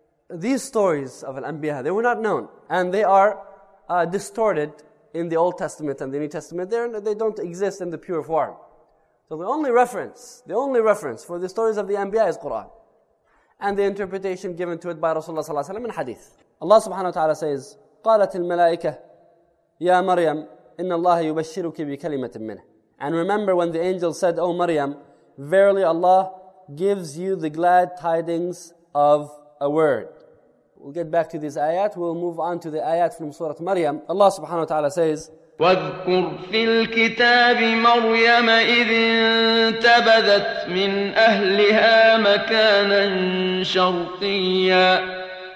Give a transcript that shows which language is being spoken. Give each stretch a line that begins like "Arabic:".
English: These stories of Al-Anbiya, they were not known. And they are distorted in the Old Testament and the New Testament. They don't exist in the pure form. So the only reference for the stories of the Anbiya is Quran. And the interpretation given to it by Rasulullah ﷺ in Hadith. Allah subhanahu wa ta'ala says,
Arabic: قَالَتِ الْمَلَائِكَةِ يَا مَرْيَمُ إِنَّ اللَّهَ يُبَشِّرُكِ بِكَلِمَةٍ مِّنْهِ.
English: And remember when the angel said, "O Maryam, verily Allah gives you the glad tidings of a word." We'll get back to this ayat. We'll move on to the ayat from Surah Maryam. Allah subhanahu wa ta'ala says,
Arabic: وَاذْكُرْ فِي الْكِتَابِ مَرْيَمَ إِذِ انْتَبَذَتْ مِنْ أَهْلِهَا مَكَانًا شَرْقِيًّا.